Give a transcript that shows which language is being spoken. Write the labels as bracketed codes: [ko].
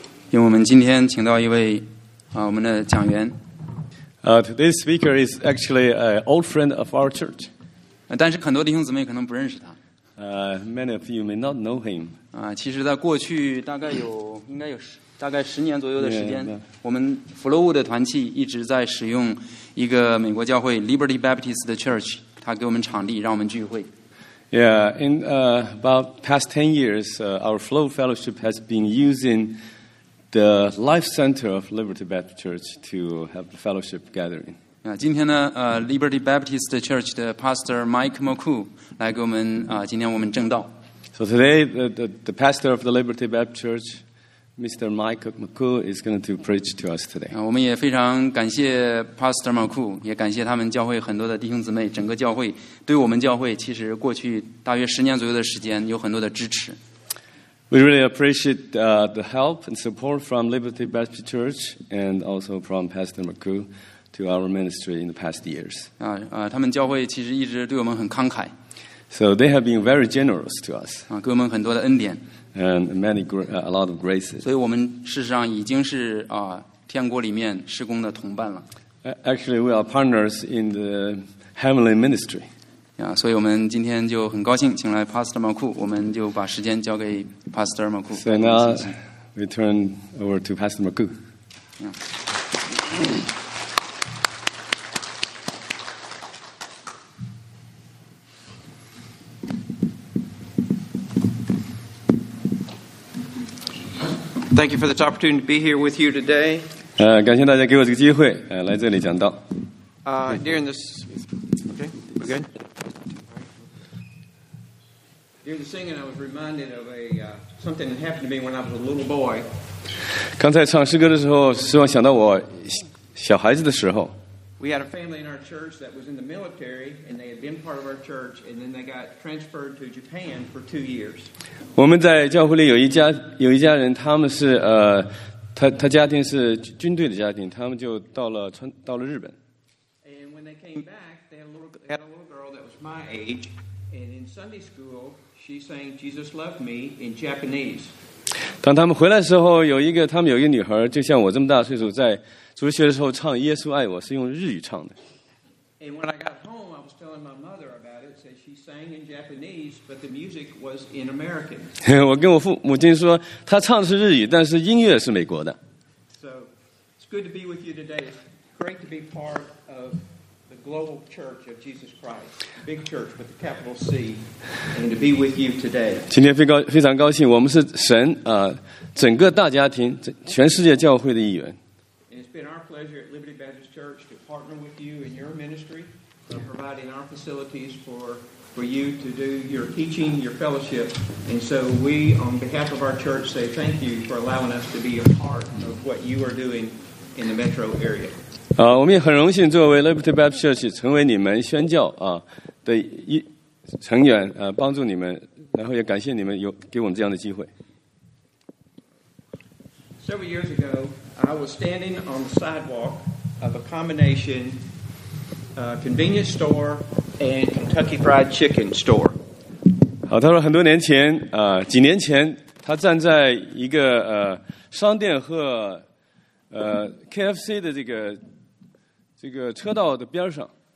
[zh] 因为我们今天请到一位啊，我们的讲员。 [en] Today's speaker is actually an old friend of our church. [zh] 但是很多弟兄姊妹可能不认识他。 [en] Many of you may not know him. [zh] 其实在过去大概有应该有大概十年左右的时间， yeah. 我们弗洛伍的团契一直在使用一个美国教会 Liberty Baptist 的 church， 他给我们场地让我们聚会。 [en] Yeah, in about past 10 years, our Flow Fellowship has been using the Life Center of Liberty Baptist Church to have the fellowship gathering. [zh] Yeah, 今天呢，Liberty Baptist Church 的 Pastor Mike Moku 来给我们今天我们正道。 [en] So today, the pastor of the Liberty Baptist Church, Mr. Mike Moku, is going to preach to us today. [zh] 我们也非常感谢 Pastor Moku， 也感谢他们教会很多的弟兄姊妹，整个教会对我们教会其实过去大约十年左右的时间有很多的支持。 [en] We really appreciate the help and support from Liberty Baptist Church and also from Pastor Moku to our ministry in the past years. [zh] 他们教会其实一直对我们很慷慨。 [en] So they have been very generous to us. [zh] 给我们很多的恩典。 [en] And many a lot of graces. [zh] 所以我们事实上已经是天国里面事工的同伴了。 [en] Actually, we are partners in the heavenly ministry. [zh] 所以我们今天就很高兴请来 Pastor Moku， 我们就把时间交给 Pastor Moku。 [en] So now we turn over to Pastor Moku. Thank you for this opportunity to be here with you today. [zh] 感谢大家给我这个机会，来这里讲道。 [en] During this, okay, we're good. During the singing, I was reminded of something that happened to me when I was a little boy. [zh] 刚才唱诗歌的时候，使我想到我小孩子的时候。 [en] We had a family in our church that was in the military, and they had been part of our church, and then they got transferred to Japan for 2 years. [zh] 我们在教会里有一家人，他们是他家庭是军队的家庭，他们就到了日本。 [en] And when they came back, they had a little girl that was my age, and in Sunday school. She sang "Jesus Loved Me" in Japanese. [zh] 当他们回来的时候，他们有一个女孩，就像我这么大岁数，在主日学的时候唱《耶稣爱我》是用日语唱的。 [en] And when I got home, I was telling my mother about it. Said she sang in Japanese, but the music was in American. [zh] 我跟我母亲说，她唱的是日语，但是音乐是美国的。 [en] So it's good to be with you today. It's great to be part of. Global Church of Jesus Christ, big church with a capital C, and to be with you today. [zh] 今天非常高兴，我们是神整个大家庭，全世界教会的一员。 [en] And it's been our pleasure at Liberty Baptist Church to partner with you in your ministry, providing our facilities for you to do your teaching, your fellowship. And so we, on behalf of our church, say thank you for allowing us to be a part of what you are doing in the metro area. [zh] 我们也很荣幸作为 Liberty Baptist Church 成为你们宣教的一成员帮助你们，然后也感谢你们有给我们这样的机会。 [en] Several years ago, I was standing on the sidewalk of a combination convenience store and Kentucky Fried Chicken store. [zh] 他说很多年前几年前，他站在一个商店和KFC 的这个车道的边上。